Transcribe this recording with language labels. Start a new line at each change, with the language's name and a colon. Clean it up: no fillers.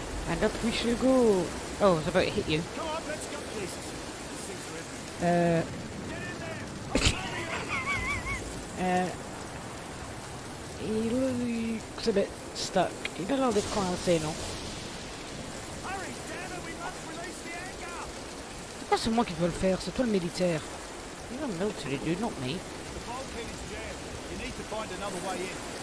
English: And up we should go. Oh, I was about to hit you. Come on, let's go, please. He looks a bit stuck. He does all this kind of thing, no?
French: Pas c'est moi qui dois le faire, c'est toi le militaire.
English: You're a military dude, not me. The volcano is jammed. You need to find another way in.